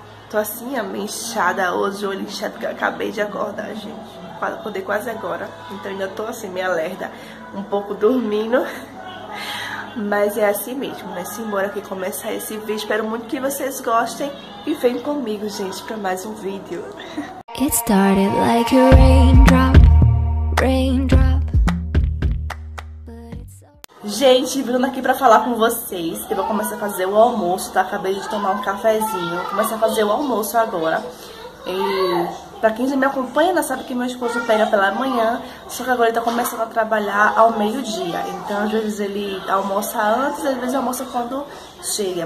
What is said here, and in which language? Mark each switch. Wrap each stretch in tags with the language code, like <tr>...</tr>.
<pt>Tô assim, a minha inchada hoje, olho inchado, porque eu acabei de acordar, gente. Acordei quase agora. Então ainda tô assim, meio lerda, um pouco dormindo. Mas é assim mesmo, né? Simbora que começa esse vídeo. Espero muito que vocês gostem. E vem comigo, gente, pra mais um vídeo.</pt> <en>It started like a raindrop, raindrop.</en> <pt>Gente, vindo aqui pra falar com vocês. Eu vou começar a fazer o almoço, tá? Acabei de tomar um cafezinho. Vou começar a fazer o almoço agora. E pra quem já me acompanha, né, sabe que meu esposo pega pela manhã. Só que agora ele tá começando a trabalhar ao meio-dia. Então, às vezes ele almoça antes, às vezes almoça quando chega.</pt>